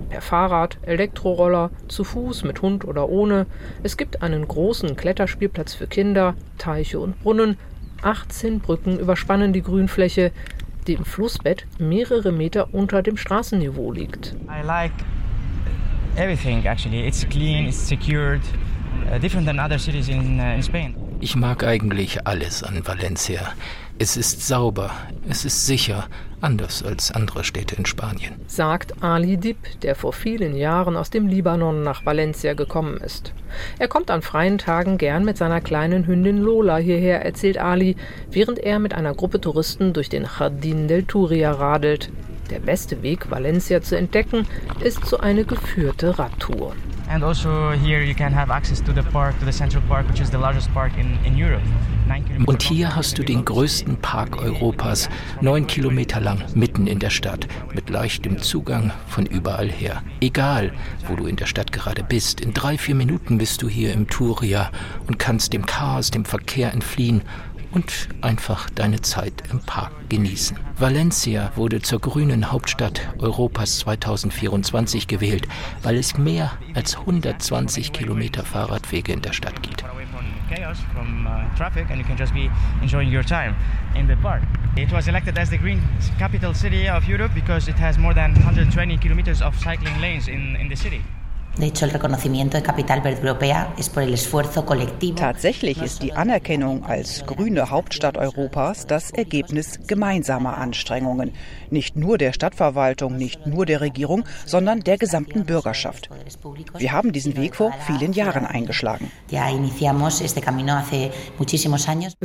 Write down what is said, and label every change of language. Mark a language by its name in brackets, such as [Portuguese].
[German] Per Fahrrad, Elektroroller, zu Fuß, mit Hund oder ohne. Es gibt einen großen Kletterspielplatz für Kinder, Teiche und Brunnen 18 Brücken überspannen die Grünfläche, die im Flussbett mehrere Meter unter dem Straßenniveau liegt. [English] I like everything actually. It's clean, it's secured, different than other cities in Spain. [German] Ich mag eigentlich alles an Valencia. Es ist sauber, es ist sicher, anders als andere Städte in Spanien. Sagt Ali Dib, der vor vielen Jahren aus dem Libanon nach Valencia gekommen ist. Er kommt an freien Tagen gern mit seiner kleinen Hündin Lola hierher, erzählt Ali, während er mit einer Gruppe Touristen durch den Jardín del Turia radelt. Der beste Weg, Valencia zu entdecken, ist so eine geführte Radtour. [English] And also here you can have access to the park, to the Central Park, which is the largest park in Europe. [German] Und hier hast du den größten Park Europas, 9 Kilometer lang, mitten in der Stadt, mit leichtem Zugang von überall her. Egal, wo du in der Stadt gerade bist, in 3-4 Minuten bist du hier im Turia und kannst dem Chaos, dem Verkehr entfliehen und einfach deine Zeit im Park genießen. Valencia wurde zur grünen Hauptstadt Europas 2024 gewählt, weil es mehr als 120 Kilometer Fahrradwege in der Stadt gibt. [English] Chaos from traffic and you can just be enjoying your time in the park. It was elected as the green capital city of Europe because it has more than 120 kilometers of cycling lanes in the city. [Spanish] De hecho, el reconocimiento de capital verde europea es por el esfuerzo colectivo. [German] Tatsächlich ist die Anerkennung als grüne Hauptstadt Europas das Ergebnis gemeinsamer Anstrengungen. Nicht nur der Stadtverwaltung, nicht nur der Regierung, sondern der gesamten Bürgerschaft. Wir haben diesen Weg vor vielen Jahren eingeschlagen. [Spanish] Ya iniciamos este camino hace muchísimos años.